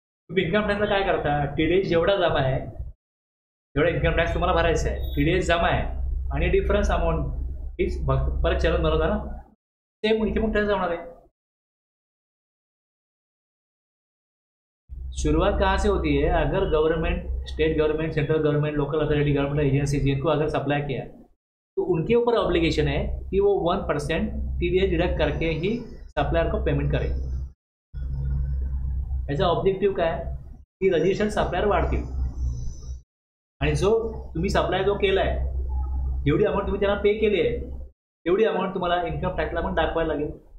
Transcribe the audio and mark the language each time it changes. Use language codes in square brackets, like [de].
[mr] तुम्ही इन्कम टॅक्सला काय करता, टीडीएस जेवढा जमा आहे तेवढा इन्कम टॅक्स तुम्हाला भरायचा आहे, टीडीएस जमा आहे आणि डिफरन्स अमाऊंट हीच परत चलन बनवता ना, सेम इन्कम टॅक्स जमणार आहे. [hi] शुरुआत कहाँ से होती है, अगर government, state government, central government, local authority government agency जिनको अगर सप्लाई किया तो उनके ऊपर ऑब्लिगेशन है कि वो 1% TDS डिडक्ट करके ही सप्लायर को पेमेंट करे। ऐसा ऑब्जेक्टिव क्या है कि [mr] रजिस्ट्रेशन सप्लायर वाढतील आणि जो तुम्ही सप्लाय जो केला आहे एवढी अमाऊंट तुम्ही त्यांना पे केली आहे तेवढी अमाऊंट तुम्हाला इन्कम टॅक्सला पण दाखवायला लागेल।